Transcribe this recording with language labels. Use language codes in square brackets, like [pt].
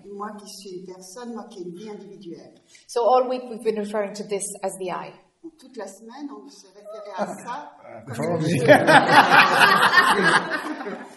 [fr] Moi qui suis une personne, moi qui ai une vie individuelle. [en] So all week we've been referring to this as the I. [fr] Toute la semaine, on se référait à ça.